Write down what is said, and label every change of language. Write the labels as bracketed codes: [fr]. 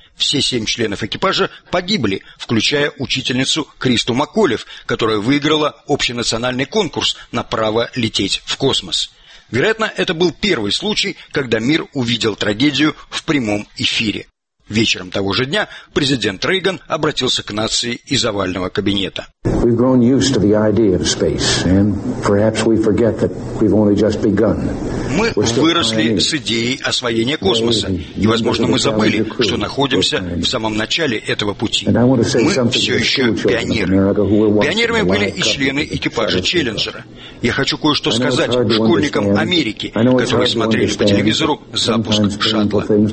[ru] Все 7 членов экипажа погибли, включая учительницу Кристу Макколев, которая выиграла общенациональный конкурс на право лететь в космос. Вероятно, это был первый случай, когда мир увидел трагедию в прямом эфире. Вечером того же дня президент Рейган обратился к нации из овального кабинета. [en] We've grown used to the idea of space, and perhaps we forget that we've only just begun. [ru] Мы выросли с идеей освоения космоса, и, возможно, мы забыли, что находимся в самом начале этого пути. Мы все еще пионеры. Пионерами были и члены экипажа «Челленджера». Я хочу кое-что сказать школьникам Америки, которые смотрели по телевизору запуск шаттла.